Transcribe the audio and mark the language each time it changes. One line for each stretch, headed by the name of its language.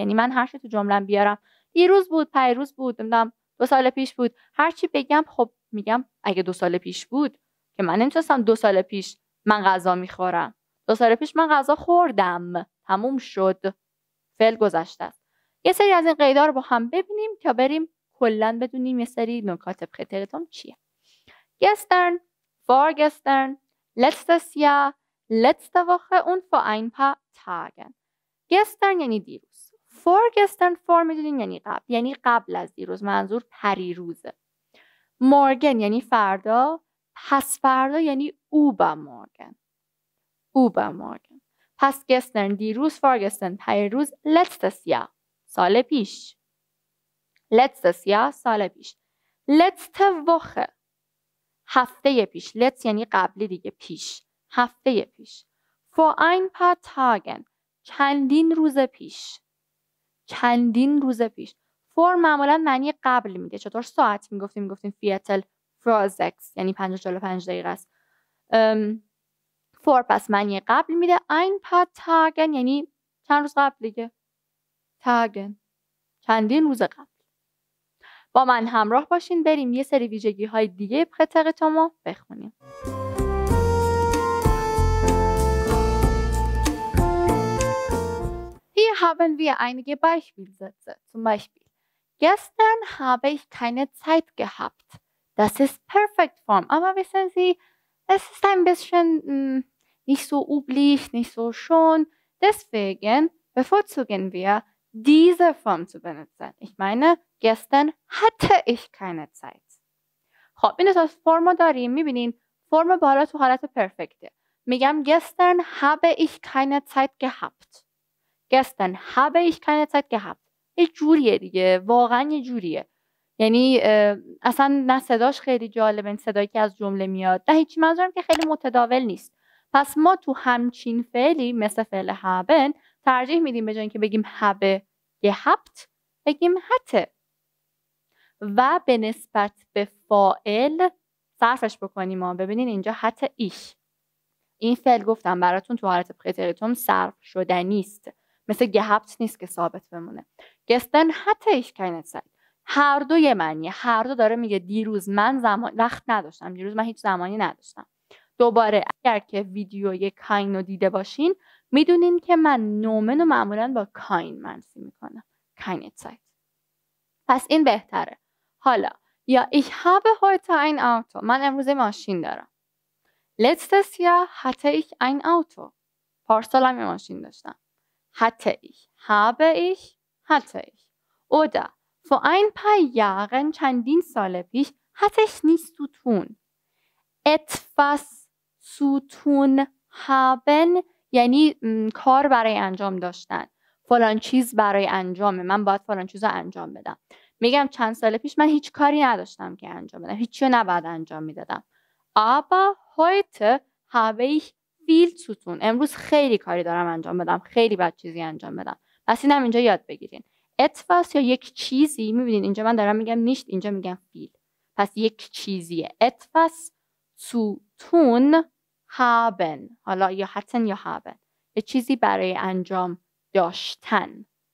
Persian: یعنی من هر چی تو جمله بیارم، دیروز بود، پریروز بود، نمیدونم دو سال پیش بود، هر چی بگم، خب میگم اگه دو سال پیش بود که من نمیتونستم دو سال پیش من غذا میخورم، دو سال پیش من غذا خوردم، تموم شد، فعل گذشته. یه سری از این قیدها رو با هم ببینیم تا بریم کلا بدونیم یه سری نکات پرتریتوم چیه.
German: Gestern, vorgestern, letztes Jahr, letzte Woche und vor ein paar Tagen.
Persian: Gestern یعنی دیروز. Vorgestern فور میدونین یعنی قبل. یعنی قبل از دیروز. منظور پریروزه. Morgen یعنی فردا. پس فردا یعنی übermorgen. Übermorgen. پس گستن دیروز فارگستن پیروز لطس یا سال پیش. لطس یا سال پیش. لطس وخه هفته پیش. لطس یعنی قبلی دیگه پیش. هفته پیش. فو این پا تاگن چندین روز پیش. چندین روز پیش. فور معمولا معنی قبل میده. چطور ساعت میگفتیم؟ میگفتیم فیتل فرازکس یعنی 5:45 دقیقه است. فور پس معنی قبل میده. این پا تاگن یعنی چند روز قبل دیگه. تاگن چندین روز قبل. با من همراه باشین بریم یه سری ویژگی های دیگه پرتق تومو بخونیم.
German: Hier haben wir einige Beispielsätze. Zum Beispiel, gestern habe ich keine Zeit gehabt. Das ist Perfect Form. Aber wissen Sie, es ist ein bisschen nicht so üblich, nicht so schön. Deswegen bevorzugen wir, diese Form zu benutzen. Ich meine, gestern hatte ich keine Zeit.
Persian: خب این اساس فرم داریم. میبینین فرم بالا تو حالت پرفکته. میگم
German: gestern habe ich keine Zeit gehabt.
Persian: Gestern habe ich keine Zeit gehabt. یه جوریه دیگه. واقعا یه جوریه. یعنی اصلا نه صداش خیلی جالبه. صدایی که از جمله میاد. نه هیچی منظورم که خیلی متداول نیست. پس ما تو همچین فعلی مثل فعل haben ترجیح میدیم به جای اینکه بگیم
German: habe gehabt
Persian: بگیم hatte. و به نسبت به فاعل صرفش بکنیم. ما ببینین اینجا
German: hatte ich.
Persian: این فعل گفتم براتون تو حالت پرتریتوم صرف شده نیست. مثل gehabt نیست که ثابت بمونه.
German: gestern hatte ich keine Zeit.
Persian: هر دو یه معنی. هر دو داره میگه دیروز من زمان وقت نداشتم. دیروز من هیچ زمانی نداشتم. دوباره اگر که ویدیوی کاین رو دیده باشین میدونین که من نومن رو معمولا با کاین منفی میکنم.
German: keine Zeit.
Persian: پس این بهتره. حالا یا
German: ich habe heute ein Auto.
Persian: من امروز ماشین دارم.
German: letztes Jahr hatte ich ein Auto.
Persian: پارسال هم ماشین داشتم.
German: hatte ich, habe ich, hatte ich. Oder vor ein paar Jahren,
Persian: چندین سال پیش,
German: hatte ich nichts zu tun. Etwas zu tun haben,
Persian: یعنی کار برای انجام داشتن. فلان چیز برای انجامه. من باید فلان چیز رو انجام بدم. میگم چند سال پیش من هیچ کاری نداشتم که انجام بدم. هیچی رو نباید انجام میدادم.
German: Aber heute habe ich viel zu tun.
Persian: امروز خیلی کاری دارم انجام بدم. خیلی باید چیزی انجام بدم. پس اینم اینجا یاد بگیرین. Etwas یا یک چیزی. میبینین اینجا من دارم میگم nicht. اینجا میگم viel. پس یک چیزیه.
German: Etwas zu tun haben.
Persian: حالا یا hatten یا haben. یه چیزی برای انجام داشتن.